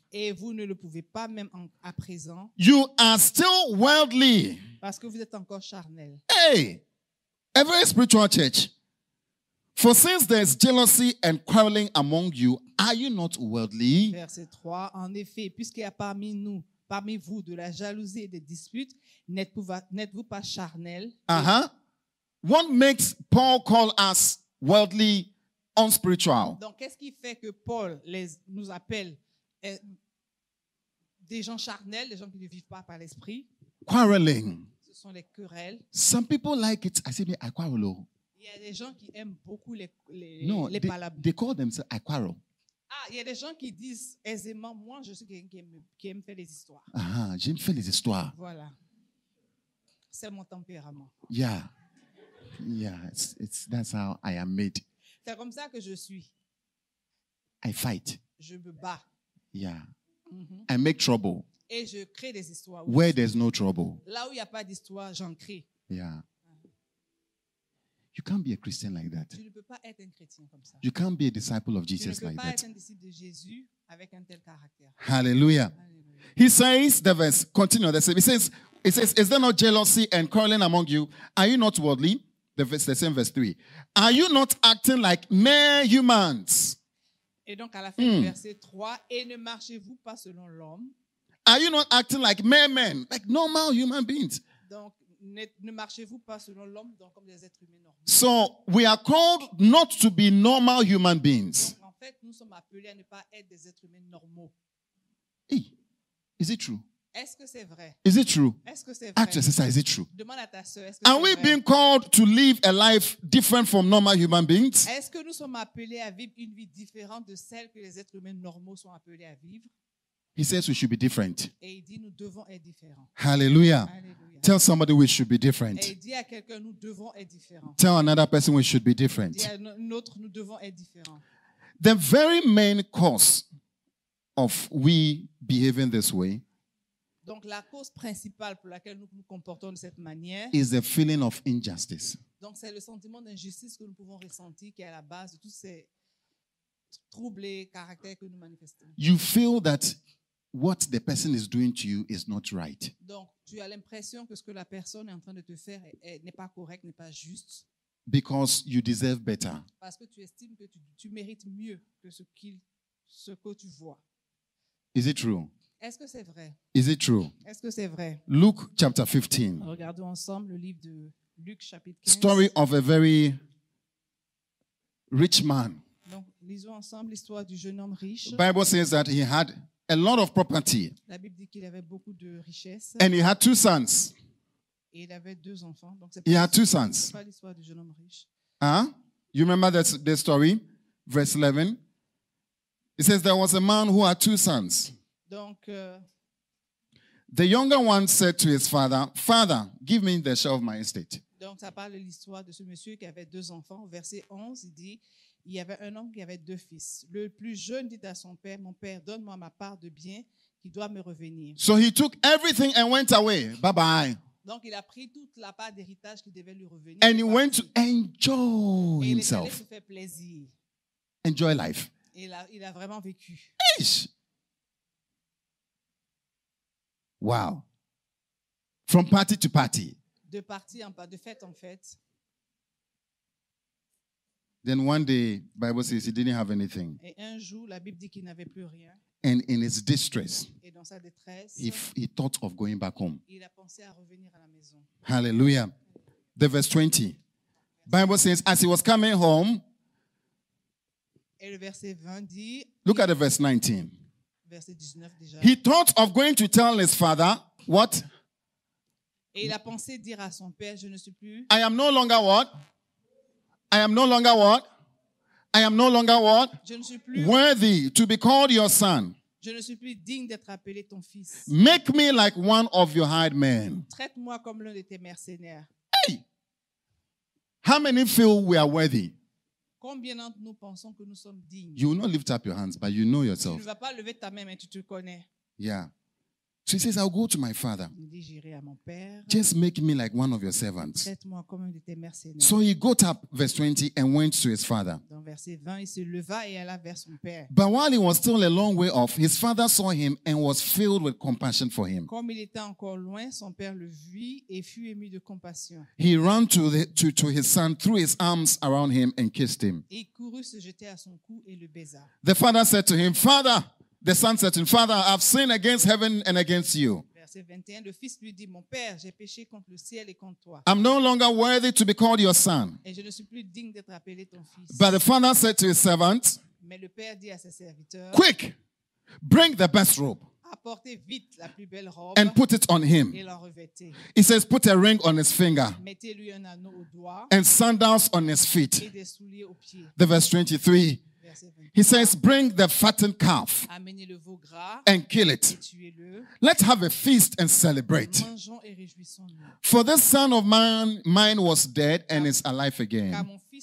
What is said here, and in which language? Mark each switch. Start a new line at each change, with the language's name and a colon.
French: Et vous ne le pouvez pas même en, à présent.
English: You are still worldly.
French: Parce que vous êtes encore charnel.
English: Hey, every spiritual church. For since there is jealousy and quarreling among you, are you not worldly?
French: Verset 3. En effet, puisqu'il y a parmi vous de la jalousie et des disputes, n'êtes-vous pas charnel?
English: What makes Paul call us worldly, unspiritual?
French: Donc, qu'est-ce qui fait que Paul nous appelle des gens charnels, des gens qui ne vivent pas par l'esprit?
English: Quarreling.
French: Ce sont les querelles.
English: Some people like it. I say, I quarrel.
French: Il y a des gens qui aiment beaucoup les palabres.
English: They call themselves I quarrel.
French: Ah, il y a des gens qui disent aisément, moi, je suis quelqu'un qui aime faire des histoires. J'aime faire les histoires. Voilà. C'est mon tempérament.
English: Yeah. It's that's how I am made.
French: C'est comme ça que je suis.
English: I fight.
French: Je me bats.
English: Yeah. Mm-hmm. I make trouble.
French: Et je crée des histoires.
English: Where there's no trouble.
French: Là où il y a pas d'histoire, j'en crée.
English: Yeah. You can't be a Christian like that.
French: Tu ne peux pas être un chrétien comme ça.
English: You can't be a disciple of Jesus like that.
French: Tu ne peux pas être un disciple de Jésus avec un tel caractère. Hallelujah.
English: He says, the verse, continue. The same. It says, is there not jealousy and quarreling among you? Are you not worldly? The same verse 3. Are you not acting like mere humans?
French: Et donc à la fin du verset 3, et ne marchez-vous pas selon l'homme?
English: Are you not acting like mere men, like normal human beings?
French: Donc, ne marchez-vous pas selon l'homme, donc comme des êtres humains normaux.
English: So, we are called not to be normal human beings.
French: Donc, en fait, nous sommes appelés à ne pas être des êtres humains normaux.
English: Hey, is it true?
French: Est-ce que c'est vrai?
English: Is it true?
French: Est-ce que c'est vrai?
English: Ask your sister, is it true?
French: Demande à ta sœur, est-ce que
English: are
French: c'est vrai?
English: Are we being called to live a life different from normal human beings?
French: Est-ce que nous sommes appelés à vivre une vie différente de celle que les êtres humains normaux sont appelés à vivre?
English: He says we should be different.
French: Et il dit, nous devons être différents. Hallelujah. Hallelujah.
English: Tell somebody we should be different.
French: Et il dit à quelqu'un, nous devons être différents.
English: Tell another person we should be different.
French: Dis à un autre, nous devons être différents.
English: The very main cause of we behaving this way,
French: donc la cause principale pour laquelle nous nous comportons de cette manière,
English: is the feeling of injustice.
French: Donc c'est le sentiment d'injustice que nous pouvons ressentir qui est à la base de tous ces troubles et caractères que nous manifestons.
English: You feel that what the person is doing to you is not right.
French: Donc, tu as l'impression que ce que la personne est en train de te faire n'est pas correct, n'est pas juste.
English: Because you deserve better.
French: Parce que tu estimes que tu mérites mieux que ce que tu vois.
English: Is it true?
French: Est-ce que c'est vrai?
English: Is it true?
French: Est-ce que c'est vrai?
English: Luke chapter 15.
French: Regardons ensemble le livre de Luc chapitre
English: 15. Story of a very rich man.
French: Donc, lisons ensemble l'histoire du jeune homme riche.
English: The Bible says that he had a lot of property.
French: La Bible dit qu'il avait beaucoup de richesses.
English: And he had two sons.
French: Et il avait deux enfants. Donc
English: he had two sons.
French: C'est pas l'histoire du jeune homme riche.
English: You remember the story? Verse 11. It says there was a man who had two sons.
French: Donc,
English: the younger one said to his father, Father, give me the share of my estate.
French: Donc ça parle de l'histoire de ce monsieur qui avait deux enfants. Verset 11, il dit, il y avait un homme qui avait deux fils. Le plus jeune dit à son père, mon père, donne-moi ma part de bien qui doit me revenir.
English: So he took everything and went away. Bye-bye.
French: Donc il a pris toute la part d'héritage qui devait lui revenir.
English: And he went to enjoy himself.
French: Et il est allé se faire plaisir.
English: Enjoy life.
French: Et il a vraiment vécu. Eesh.
English: Wow. From party to party.
French: De partie en partie, de fête en fête.
English: Then one day, Bible says he didn't have anything.
French: Et un jour, la Bible dit qu'il n'avait plus rien.
English: And in his distress,
French: et dans sa détresse,
English: he thought of going back home.
French: Il a pensé à revenir à la maison.
English: Hallelujah. The verse 20. Bible says, as he was coming home,
French: et le verset 20 dit,
English: look at the verse 19.
French: Verset 19 déjà.
English: He thought of going to tell his father, what?
French: Et il a pensé dire à son père, je ne suis plus.
English: I am no longer what? I am no longer what? I am no longer what?
French: Je ne suis plus
English: worthy to be called your son.
French: Je ne suis plus digne d'être appelé ton fils.
English: Make me like one of your hired men.
French: Traite-moi comme l'un de tes mercenaires.
English: Hey! How many feel we are worthy?
French: Combien d'entre nous pensons que nous sommes dignes?
English: You will not lift up your hands, but you know yourself.
French: Tu ne vas pas lever ta main, mais tu te connais.
English: Yeah. She says, I'll go to my father.
French: Il dit, j'irai à mon père.
English: Just make me like one of your servants.
French: Traite-moi comme un de tes mercenaires.
English: So he got up, verse 20, and went to his father.
French: Dans verset 20, il se leva et alla vers son père.
English: But while he was still a long way off, his father saw him and was filled with compassion for him.
French: Comme il était encore loin, son père le vit et fut ému de compassion.
English: He ran to his son, threw his arms around him and kissed him.
French: Il courut se jeter à son cou et le baisa.
English: The father said to him, Father! The son said to him, Father, I have sinned against heaven and against you.
French: Verset 21, le fils lui dit, mon père, j'ai péché contre le ciel et contre toi.
English: I'm no longer worthy to be called your son.
French: Et je ne suis plus digne d'être appelé ton fils.
English: But the father said to his servant,
French: mais le père dit à ses serviteurs,
English: quick, bring the best robe.
French: Apportez vite la plus belle robe.
English: And put it on him.
French: Et l'en revêtez.
English: He says, put a ring on his finger.
French: Mettez-lui un anneau au doigt.
English: And sandals on his feet.
French: Et des souliers aux pieds.
English: The verse 23. He says, bring the fattened calf and kill it. Let's have a feast and celebrate. For this son of mine was dead and is alive again.